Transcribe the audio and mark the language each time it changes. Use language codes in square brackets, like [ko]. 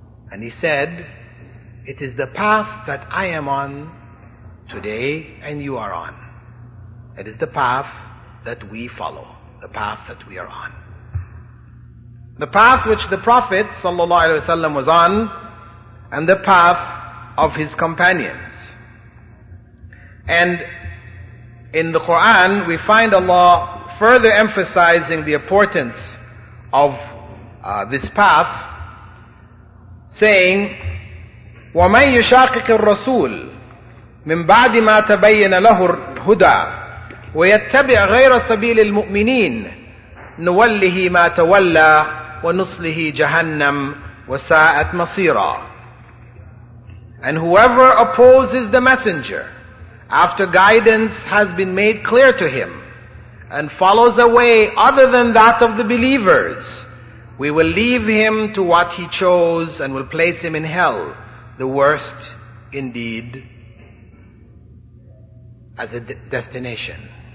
[en] And he said, it is the path that I am on today and you are on. It is the path that we follow, the path that we are on. The path which the Prophet ﷺ was on, and the path of his companions. And in the Quran, we find Allah further emphasizing the importance of this path, saying, [ar] وَمَنْ يُشَاقِقِ الرَّسُولِ مِنْ بَعْدِ مَا تَبَيَّنَ لَهُ الْهُدَى وَيَتَّبِعْ غَيْرَ سَبِيلِ الْمُؤْمِنِينَ نُوَلِّهِ مَا تَوَلَّى وَنُصْلِهِ جَهَنَّمْ وَسَاءَتْ مَصِيرًا. [en] And whoever opposes the messenger after guidance has been made clear to him and follows a way other than that of the believers, we will leave him to what he chose and will place him in hell, the worst indeed as a destination.